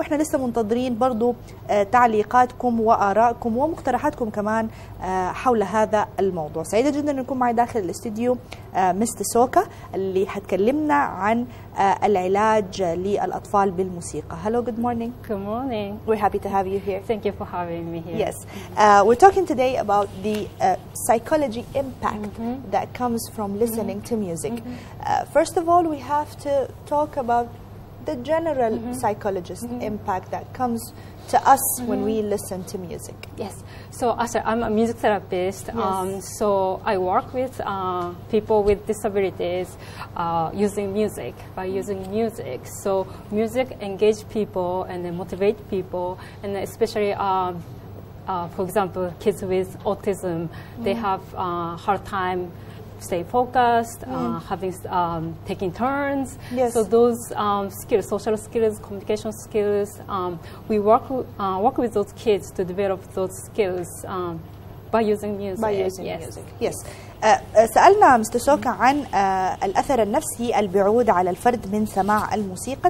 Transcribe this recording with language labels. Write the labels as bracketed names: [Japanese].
[Arabic] وإحنا لسه منتظرين برضو تعليقاتكم وآراءكم ومقترحاتكم كمان حول هذا الموضوع. سعيدة جدا نكون معي داخل الاستديو مست سوكا اللي هتكلمنا عن العلاج للأطفال بالموسيقى. [English] Hello, good morning. Good morning. We're happy to have you here. Thank you for having me here. Yes. We're talking today about the psychology impact that comes from listening to music. First of all, we have to talk about the general psychologist impact that comes to us when we listen to music. Yes. So, Asar, I'm a music therapist. Yes. So I work with people with disabilities using music, by using music. So music engage people and then motivate people, and especially for example, kids with autism, they have a hard time stay focused, having taking turns. Yes. So those skills, social skills, communication skills, we work with those kids to develop those skills by using music. By using music. Yes. [Arabic] سألنا مستر سوكا عن الأثر النفسي البعود على الفرد من سماع الموسيقى.